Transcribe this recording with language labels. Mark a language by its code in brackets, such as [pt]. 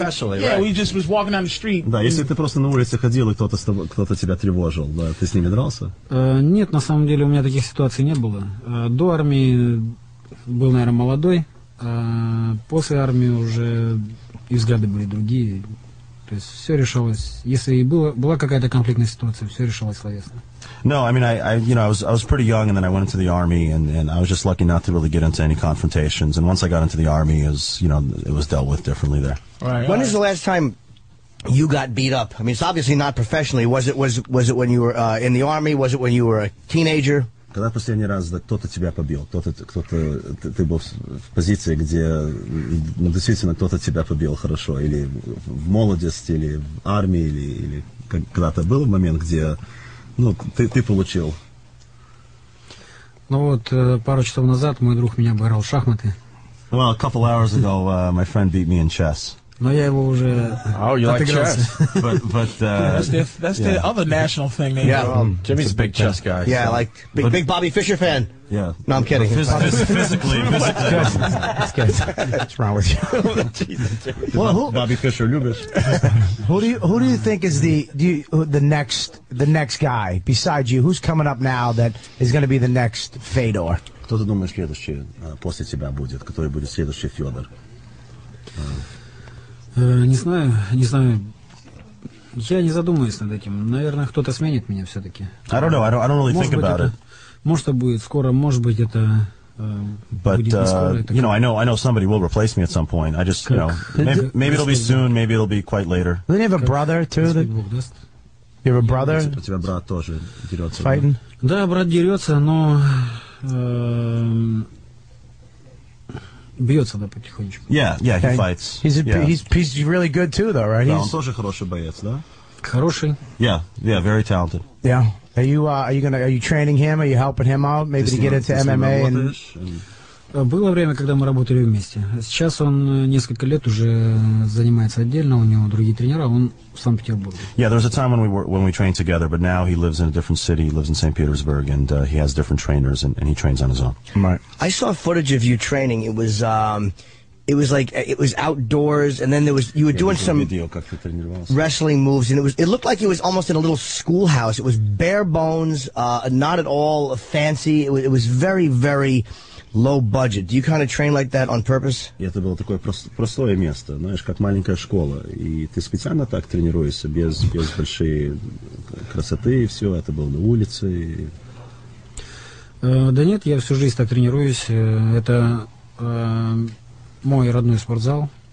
[en] Yeah, right. He just was walking down the street. [ru] Да, если ты просто на улице ходил и кто-то тебя тревожил, ты с ними дрался? Нет, на самом деле у меня таких ситуаций не было. До армии был, наверное, молодой. После армии уже и взгляды были другие. То есть все решалось. Если и была какая-то конфликтная ситуация, все решалось словесно. [en] No, I mean, I was pretty young, and then I went into the army, and I was just lucky not to really get into any confrontations. And once I got into the army, it was dealt with differently there. Right. When is the last time you got beat up? I mean, it's obviously not professionally. Was it when you were in the army? Was it when you were a teenager? [ru] Когда последний раз кто-то тебя побил? Кто-то ты был в позиции, где действительно кто-то тебя побил хорошо, или в молодости, или в армии, или когда-то был момент, где ну, ты получил. Ну вот, пару часов назад мой друг меня обыграл в шахматы. [en] Well, a couple hours ago, my friend beat me in chess. [ru] Но я его уже отыгрался. [en] Like but that's the other national thing. Maybe. Yeah, Jimmy's a big chess guy. Yeah, so. Like big Bobby Fischer fan. Yeah. No, I'm kidding. Physically. What's wrong with you? Jesus, well, Bobby Fischer, Lubis. who do you think is the next guy besides you? Who's coming up now that is going to be the next Fedor? [ru] Кто ты думаешь, следующий после тебя будет? Который будет следующий Федор? Не знаю. Я не задумываюсь над этим. Наверное, кто-то сменит меня все-таки. [en] I don't know. I don't really think about it. [ru] Может, это будет скоро, может быть, это будет не скоро. [en] You know, I know somebody will replace me at some point. I just, you know, maybe it'll be soon, maybe it'll be quite later. Do you have a brother, too? You have a brother? [ru] У тебя брат тоже дерется. [en] Fighting? [ru] Да, брат дерется, но бьется, да, потихонечку. [en] Yeah, he fights. He's really good, too, though, right? [ru] Да, он тоже хороший боец, да? Хороший. [en] Yeah, very talented. Yeah. Are you training him? Are you helping him out? Maybe to get into MMA? [ru] Было время, когда мы работали вместе. Сейчас он несколько лет уже занимается отдельно, у него другие тренера, он в Санкт-Петербурге. [en] Yeah, there was a time when we trained together, but now he lives in a different city, he lives in St. Petersburg, and he has different trainers, and he trains on his own. Right. I saw footage of you training. It was outdoors, and then you were doing some wrestling moves, and it looked like it was almost in a little schoolhouse. It was bare bones, not at all fancy. It was very, very low budget. Do you kind of train like that on purpose? [ru] Это было такое простое место, знаешь, как маленькая школа, и ты специально так тренируешься без большой красоты и все. Это было на улице. Да нет, я всю жизнь так тренируюсь. Это мой родной спортзал.